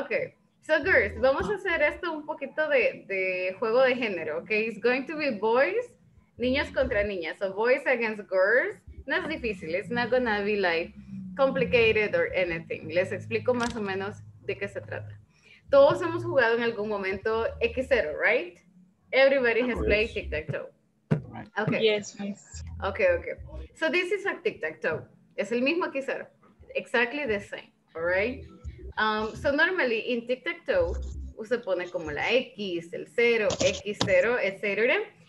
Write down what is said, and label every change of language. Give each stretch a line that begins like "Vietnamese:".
English: Okay, so girls,
Spanish: vamos a hacer esto un poquito de juego de género,
English: okay? It's going to be boys,
Spanish: niños contra niñas,
English: so boys against girls.
Spanish: No es difícil,
English: it's not gonna be like complicated or anything.
Spanish: Les explico más o menos de qué se trata. Todos hemos jugado en algún momento X0,
English: right? Everybody has played tic-tac-toe. Okay. Yes, yes. Okay, okay. So this is a tic-tac-toe.
Spanish: Es el mismo X0.
English: Exactly the same, all right? So normally in tic-tac-toe,
Spanish: usted pone como la X, el 0, X0, etc.